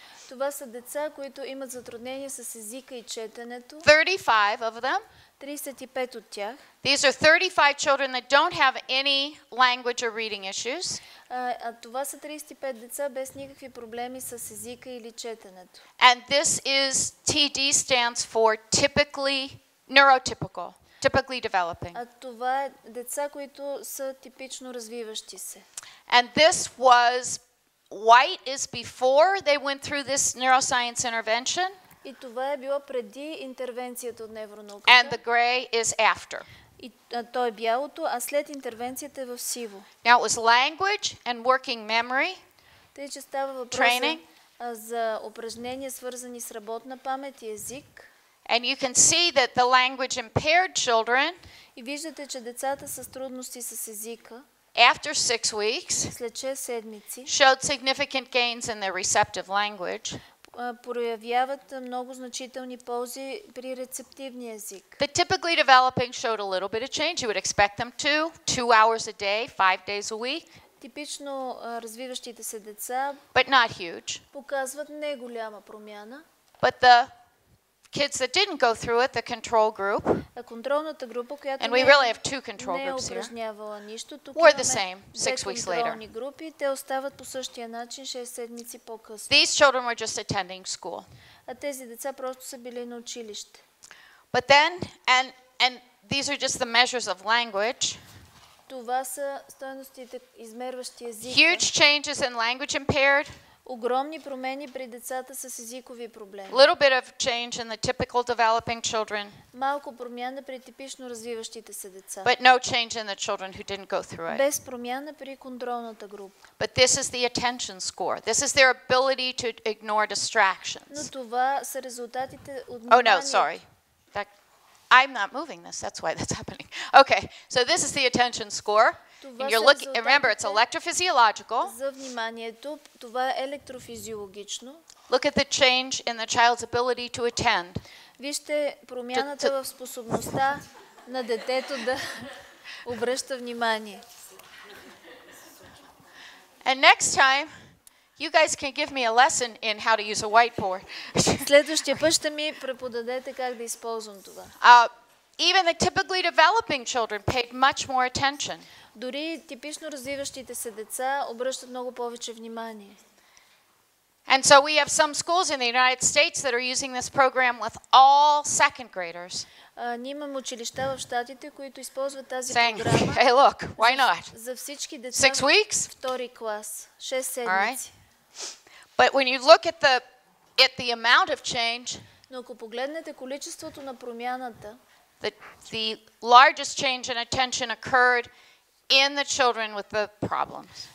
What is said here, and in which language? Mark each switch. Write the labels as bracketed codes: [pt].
[bg] Това са деца, които имат затруднения с езика и четенето. [en] 35 of them. [bg] 35 от тях. [en] These are 35 children that don't have any language or reading issues. [bg] А това са 35 деца без никакви проблеми с езика или четенето. [en] And this is TD stands for typically neurotypical. Typically developing. [bg] А това е деца, които са типично развиващи се. [en] And this was white is before they went through this neuroscience intervention. [bg] И това е било преди интервенцията от невронауката. [en] And the gray is after. [bg] И то е бялото, а след интервенцията е в сиво. [en] Now it was language and working memory. [bg] Тъй че става въпрос за упражнения, свързани с работна памет и език. [en] And you can see that the language impaired children, [bg] и виждате, че децата с трудности с езика, [en] after 6 weeks, [bg] след 6 седмици, [en] showed significant gains in their receptive language, [bg] проявяват много значителни ползи при рецептивния език. [en] The typically developing showed a little bit of change. You would expect them to 2 hours a day, 5 days a week. [bg] Типично развиващите се деца, [en] but not huge, [bg] показват не голяма промяна. [en] But the kids that didn't go through it, the control group. [bg] Контролната група, която [en] And we really have two control groups here. [bg] Не е упражнявала нищо тук. [en] Were the same 6 weeks later. [bg] Контролни групи, те остават по същия начин 6 седмици по-късно. [en] These children were just attending school. [bg] А тези деца просто са били на училище. [en] But then and these are just the measures of language. [bg] Това са стойностите, измерващи езика. [en] Huge changes in language impaired. [bg] Огромни промени при децата с езикови проблеми. [en] Little bit of change in the typical developing children. [bg] Малко промяна при типично развиващите се деца. [en] But no change in the children who didn't go through it. [bg] Без промяна при контролната група. [en] But this is the attention score. This is their ability to ignore distractions. [bg] Но това са резултатите от внимание. [en] Oh no, sorry. I'm not moving this. That's why that's happening. Okay. So this is the attention score. And you're looking, remember, it's electrophysiological. [bg] За вниманието, това е електрофизиологично. [en] Look at the change in the child's ability to attend. [bg] Вижте промяната в способността на детето да обръща внимание. [en] And next time, you guys can give me a lesson in how to use a whiteboard. [bg] Следващия път ще ми преподадете как да използвам това. [en] Even the typically developing children paid much more attention. [bg] Дори типично развиващите се деца обръщат много повече внимание. [en] And so we have some schools in the United States that are using this program with all second graders. [bg] Ние имаме училища в Щатите, които използват тази програма. [en] Hey, look, why not? [bg] За всички деца. [en] 6 weeks? [bg] Втори клас, 6 седмици. [en] But when you look at the amount of change, [bg] но ако погледнете количеството на промяната, [en] the largest change in attention occurred in the children with the problems.